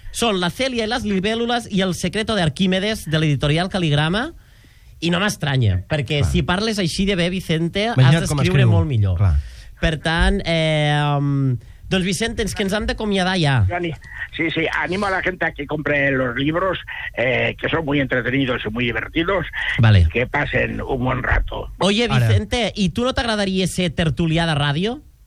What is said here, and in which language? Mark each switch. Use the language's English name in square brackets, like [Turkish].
[Catalan] Són La Celia i les libèl·lules i El secreto de Arquímedes, de l'editorial Caligrama. I no m'estranya, perquè clar, si parles així de bé, Vicente, imagina't, has d'escriure molt millor. Clar. Per tant, doncs Vicente, que ens han d'acomiadar ja. [Spanish] Sí, animo a la gente a que compre los libros, que son muy entretenidos y muy divertidos. Vale. Que pasen un buen rato. [Catalan] Oye, Vicente, ¿y tú no t'agradaria ser tertulià de ràdio?